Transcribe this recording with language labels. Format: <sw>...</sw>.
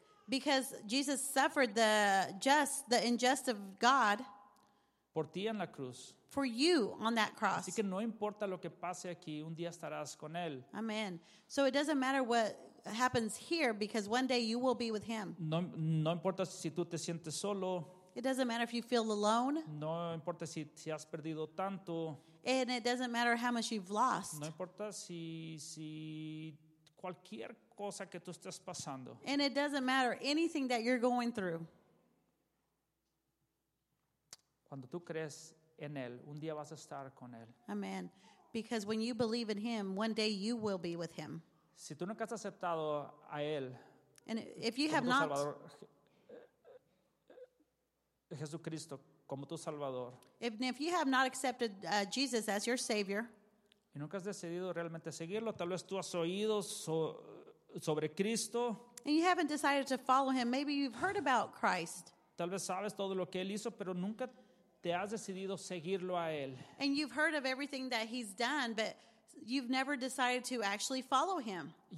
<en>Because Jesus suffered the injustice of God.</en> <es>Por ti en la cruz.</es> <en>For you on that cross.</en> <es>Así que no importa lo que pase aquí, un día estarás con él.</es> <en>Amen. So it doesn't matter what happens here, because one day you will be with him.</en> <es>No importa si tú te sientes solo.</es> <en>It doesn't matter if you feel alone.</en> <es>No importa si has perdido tanto.</es> <en>And it doesn't matter how much you've lost.</en> <es>No importa si cualquier cosa que tú estés pasando.</es> <en>And it doesn't matter anything that you're going through.</en> <es>Cuando tú crees en él, un día vas a estar con él.</es> <en>Amen. Because when you believe in him, one day you will be with him.</en> <es>Si tú nunca has aceptado a él.</es> <en>And if you have not.</en> <es>Jesucristo como tu Salvador.</es> <en>If you have not accepted Jesus as your Savior,</en> <es>y nunca has decidido realmente seguirlo, tal vez tú has oído sobre Cristo.</es> <en>And you haven't decided to follow him. Maybe you've heard about Christ.</en> <es>Tal vez sabes todo lo que él hizo, pero nunca te has decidido seguirlo a él.</es> <en>And you've heard of everything that he's done, but you've never decided to actually follow him.</en>